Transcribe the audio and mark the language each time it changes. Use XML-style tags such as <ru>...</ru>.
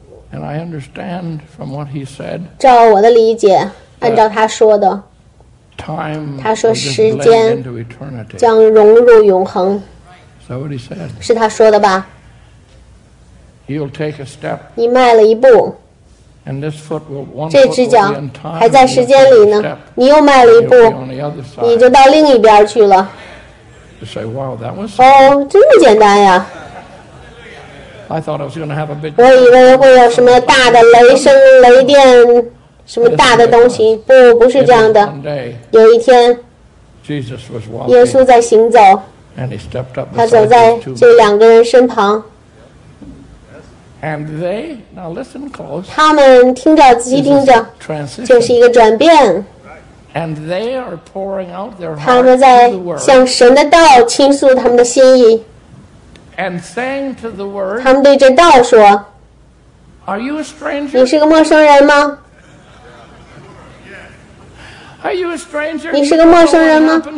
<en>And I understand from what he said.</en> <zh>照我的理解，按照他说的，他说时间将融入永恒。</zh> <en>Is that what he said?</en> <zh>是他说的吧？</zh> <en>You'll take a step.</en> <zh>你迈了一步。</zh> <en>And this foot will one foot will be in time.</en> <zh>这只脚还在时间里呢，你又迈了一步，你就到另一边去了。</zh> <en>You say, "Wow, that was."</en> <zh>哦，这么简单呀。</zh> <en>I thought I was going to have a big.</en> <zh>我以为会有什么大的雷声、雷电，什么大的东西？不，不是这样的。有一天，耶稣在行走，他走在这两个人身旁。</zh> <en>And they now listen close.</en> <zh>他们听着，仔细听着，这是一个转变。</zh> <en>And they are pouring out their heart.</en> <zh>他们在向神的道倾诉他们的心意。</zh> <en>And saying to the word,</en> <zh>他们对这道说</zh> <en>Are you a stranger?</en> <zh>你是个陌生人吗？</zh> <en>Are you a stranger?</en> <zh>你是个陌生人吗？</zh>